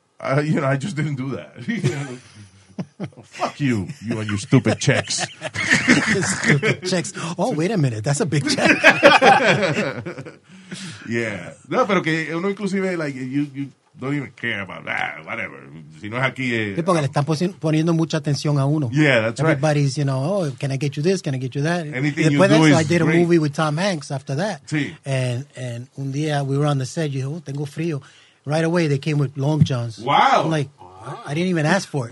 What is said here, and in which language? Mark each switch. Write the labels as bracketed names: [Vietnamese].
[English] You know, I just didn't do that. Oh, fuck you. You and your stupid checks. Stupid checks. Oh, wait a minute. That's a big check. Yeah. [Spanish] No, pero que uno inclusive, [English] like, you don't even care about that, whatever. [Spanish] Si no es aquí, porque le están poniendo mucha atención a uno. [English] Yeah, that's Everybody's, right. Everybody's, you know, oh, can I get you this? Can I get you that? Anything [Spanish] después [English] you do is I did great. A movie with Tom Hanks after that. [Spanish] Sí. [English] And [Spanish] un día [English] we were on the set, you know, [Spanish] tengo frío. [English] Right away they came with long johns. Wow. I'm like, I didn't even ask for it.